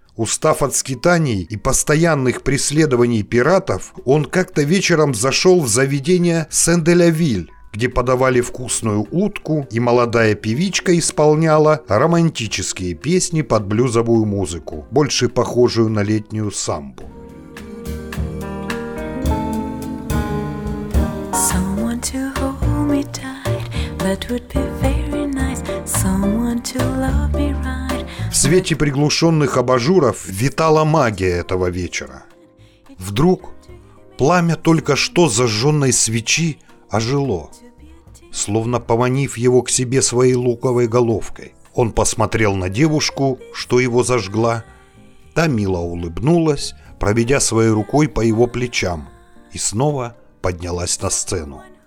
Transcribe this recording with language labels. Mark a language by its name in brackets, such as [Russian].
[Russian] Устав от скитаний и постоянных преследований пиратов, он как-то вечером зашел в заведение Сен-де-Ля-Виль, где подавали вкусную утку, и молодая певичка исполняла романтические песни под блюзовую музыку, больше похожую на летнюю самбу. [English] Someone to hold me tight, that would be very nice. Someone to love me right. [Russian] В свете приглушенных абажуров витала магия этого вечера. Вдруг пламя только что зажженной свечи ожило, словно поманив его к себе своей луковой головкой. Он посмотрел на девушку, что его зажгла. Та мило улыбнулась, проведя своей рукой по его плечам, и снова поднялась на сцену.